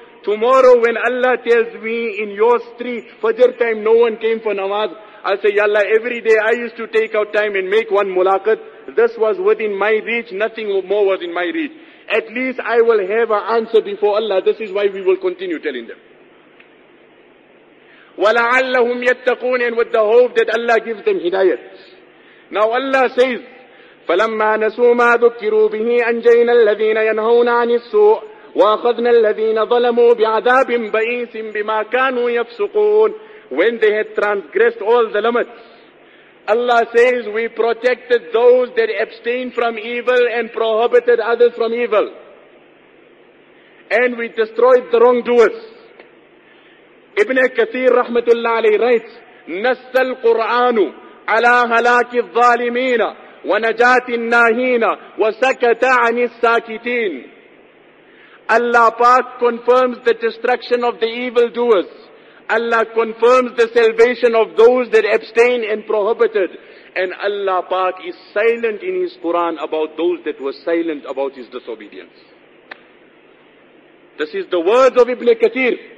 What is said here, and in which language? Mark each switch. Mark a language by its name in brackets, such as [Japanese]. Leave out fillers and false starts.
[English] Tomorrow when Allah tells me in your street, Fajr time no one came for namaz, I'll say, Ya Allah, every day I used to take out time and make one mulaqat. This was within my reach, nothing more was in my reach. At least I will have an answer before Allah. This is why we will continue telling them. [Arabic] وَلَعَلَّهُمْ يَتَّقُونَ. [English] And with the hope that Allah gives them hidayat. Now Allah says, [Arabic] فَلَمَّا نَسُوا مَا ذُكِّرُوا بِهِ أَنْجَيْنَا الَّذِينَ يَنْهَوْنَ عَنِ السُّوءِ وَأَخَذْنَا الَّذِينَ ظَلَمُوا بِعَذَابٍ بَئِيسٍ بِمَا كَانُوا يَفْسُقُونَ. [English] When they had transgressed all the limits, Allah says, we protected those that abstained from evil and prohibited others from evil. And we destroyed the wrongdoers. Ibn Kathir rahmatullah alayhi writes, [Arabic] نَسَّ الْقُرْآنُ عَلَىٰ هَلَاكِ الظَّالِمِينَ وَنَجَاتِ النَّاهِينَ وَسَكَتَ عَنِ السَّاكِتِينَ. [English] Allah Pak confirms the destruction of the evildoers. Allah confirms the salvation of those that abstain and prohibited. And Allah Pak is silent in His Quran about those that were silent about His disobedience. This is the word of Ibn Kathir.